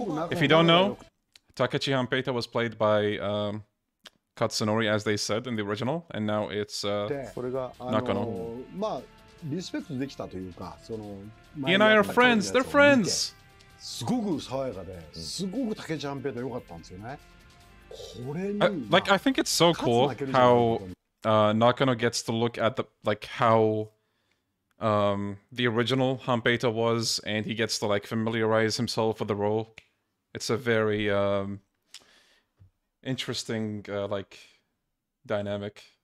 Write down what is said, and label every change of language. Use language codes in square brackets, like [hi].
[en] If you don't know, Takechi Hanpeito was played by Katsunori, as they said in the original, and now it's Nakano. [ja] まあリスペクトできたというか、その。 [en] He and I are friends. They're friends. [ja] すごく爽やかで、すごく竹ちゃんペイト良かったんですよね。これに、 [en] like I think it's so cool how Nakano gets to look at the like how the original Hanpeito was, and he gets to like familiarize himself with the role. It's a very interesting like dynamic.